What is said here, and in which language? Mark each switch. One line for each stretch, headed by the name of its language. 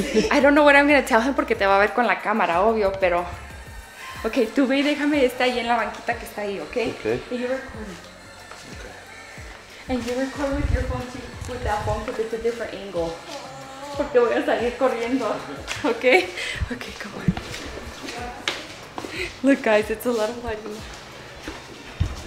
English: I don't know what I'm going to tell him
Spanish: porque te va a ver con la cámara, obvio, pero. Ok, tú ve y déjame este ahí en la banquita que está ahí, ¿ok?
English: Ok. And you record. Ok. And you record with your phone too, with that phone because it's a different angle.
Spanish: Porque voy a salir corriendo.
English: Okay? Okay, come on. Look, guys, it's a lot of lighting.
Spanish: Ya